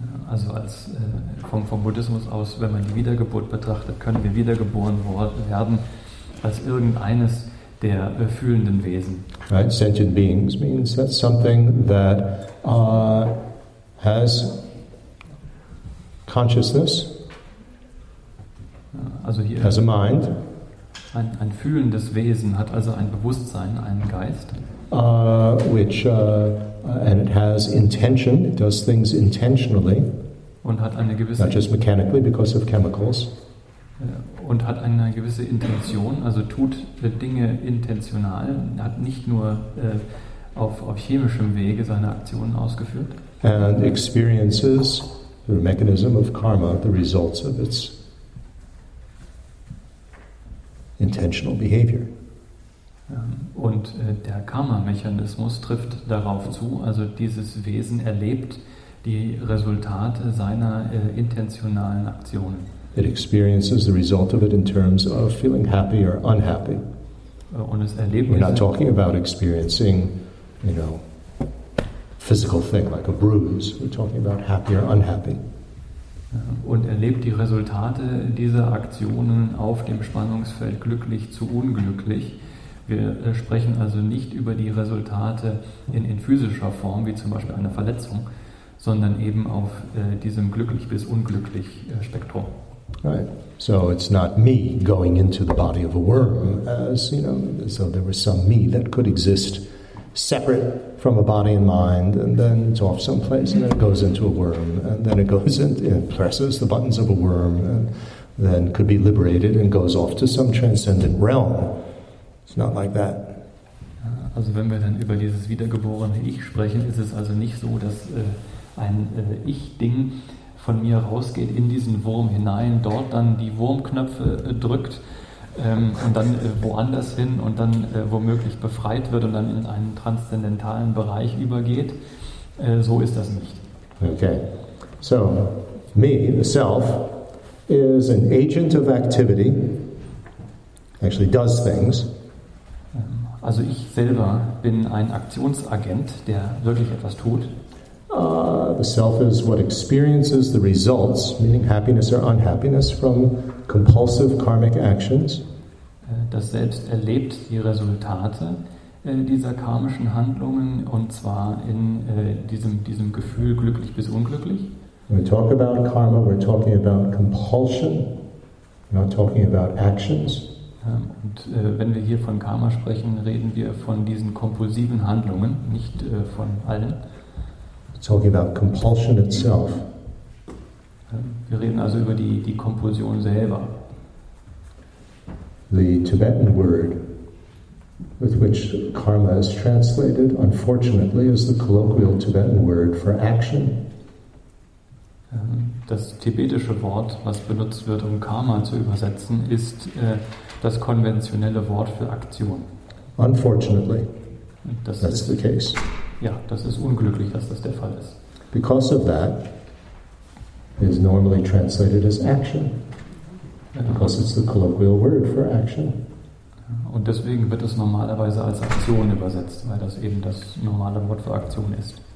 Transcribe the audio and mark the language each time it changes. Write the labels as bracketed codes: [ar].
[de] Also als vom Buddhismus aus, wenn man die Wiedergeburt betrachtet, können wir wiedergeboren werden als irgendeines der fühlenden Wesen. [en] Right, sentient beings means that's something that has consciousness, [de] also hier [en] has a mind. [de] Ein fühlendes Wesen hat also ein Bewusstsein, einen Geist. [en] And it has intention, it does things intentionally. [de] Und hat eine gewisse, [en] not just mechanically, because of chemicals. [de] Und hat eine gewisse Intention, also tut Dinge intentional, hat nicht nur auf chemischem Wege seine Aktionen ausgeführt. [en] And experiences the mechanism of karma, the results of its intentional behavior. [de] Und der Karma-Mechanismus trifft darauf zu, also dieses Wesen erlebt die Resultate seiner intentionalen Aktionen. [en] It experiences the result of it in terms of feeling happy or unhappy. [de] Und es erlebt, [en] we're not talking about experiencing, you know, physical thing like a bruise. We're talking about happy or unhappy. [de] Und erlebt die Resultate dieser Aktionen auf dem Spannungsfeld glücklich zu unglücklich. Wir sprechen also nicht über die Resultate in physischer Form, wie zum Beispiel eine Verletzung, sondern eben auf diesem glücklich bis unglücklich Spektrum. [en] Right. So it's not me going into the body of a worm, as you know, so there was some me that could exist separate from a body and mind, and then it's off someplace, and then it goes into a worm, and then it goes in, it presses the buttons of a worm, and then could be liberated and goes off to some transcendent realm. It's not like that. [de] Also wenn wir dann über dieses wiedergeborene Ich sprechen, ist es also nicht so, dass ein Ich-Ding von mir rausgeht in diesen Wurm hinein, dort dann die Wurmknöpfe drückt und dann woanders hin und dann womöglich befreit wird und dann in einen transzendentalen Bereich übergeht. So ist das nicht. [en] Okay. So, me, the self, is an agent of activity, actually does things. [de] Also ich selber bin ein Aktionsagent, der wirklich etwas tut. [en] The self is what experiences the results, meaning happiness or unhappiness, from compulsive karmic actions. [de] Das Selbst erlebt die Resultate dieser karmischen Handlungen, und zwar in diesem Gefühl glücklich bis unglücklich. [en] When we talk about karma, we're talking about compulsion, we're not talking about actions. [de] Und wenn wir hier von Karma sprechen, reden wir von diesen kompulsiven Handlungen, nicht von allen. [en] Talking about compulsion itself. [de] Wir reden also über die Kompulsion selber. [en] The Tibetan word with which karma is translated, unfortunately, is the colloquial Tibetan word for action. [de] Das tibetische Wort, was benutzt wird, um Karma zu übersetzen, ist das konventionelle Wort für Aktion. [en] Unfortunately, that's the case. [de] Ja, das ist unglücklich, dass das der Fall ist. [en] Because of that, it is normally translated as action. Because it's the colloquial word for action. [de] Und deswegen wird es normalerweise als Aktion übersetzt, weil das eben das normale Wort für Aktion ist.